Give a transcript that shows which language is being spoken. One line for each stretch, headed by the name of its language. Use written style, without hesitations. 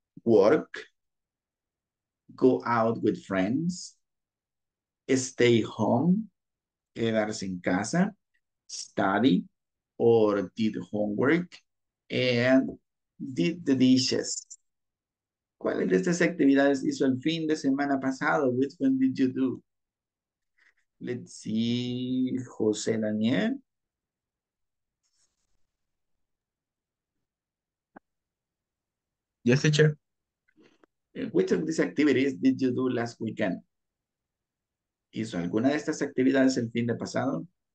English: Work, go out with friends, stay home, quedarse en casa, study, or did homework, and did the dishes.
Spanish: ¿Cuáles de estas actividades hizo el fin de semana pasado?
English: Which one did you do? Let's see, José Daniel. Yes, teacher. Which of these activities did you do last weekend?
Spanish: ¿Hizo alguna de estas actividades el fin de pasado?